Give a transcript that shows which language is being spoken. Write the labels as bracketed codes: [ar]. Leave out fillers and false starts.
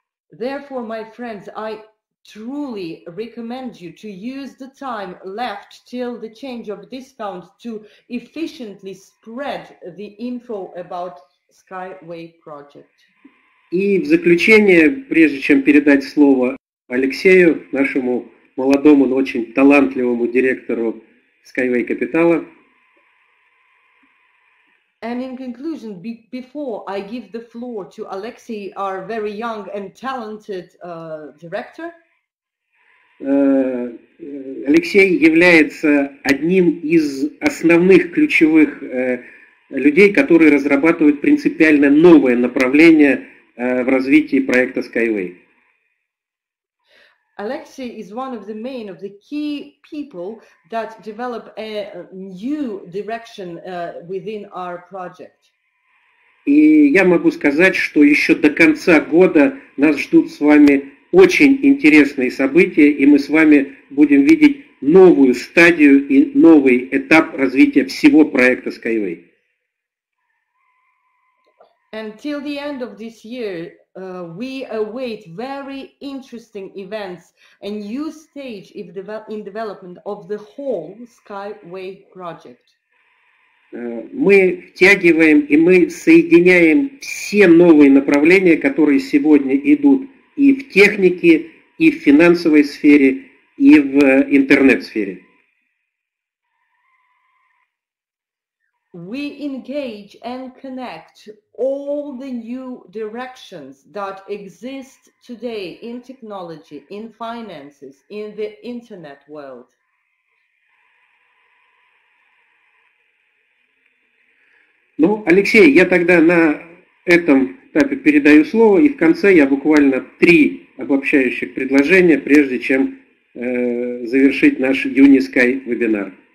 [en] Therefore, my friends, I truly recommend you to use the time left till the change of discount to efficiently spread the info about Skyway project. [ru] И в заключение, прежде чем передать слово Алексею, нашему молодому, но очень талантливому директору Skyway Capital. [en] And in conclusion, before I give the floor to Alexey, our very young and talented director. [ru] Алексей является одним из основных ключевых людей, которые разрабатывают принципиально новое направление в развитии проекта Skyway. [en] Alexey is one of the main, of the key people that develop a new direction within our project. [ru] И я могу сказать, что еще до конца года нас ждут с вами очень интересные события, и мы с вами будем видеть новую стадию и новый этап развития всего проекта Skyway. [en] Until the end of this year, we await very interesting events, a new stage in development of the whole Skyway project. [ru] Мы втягиваем и мы соединяем все новые направления, которые сегодня идут и в технике, и в финансовой сфере, и в интернет-сфере. [en] We engage and connect all the new directions that exist today in technology, in finances, in the internet world. [ru] Ну, Алексей, я тогда на этом этапе передаю слово, и в конце я буквально три обобщающих предложения, прежде чем завершить наш Unisky вебинар.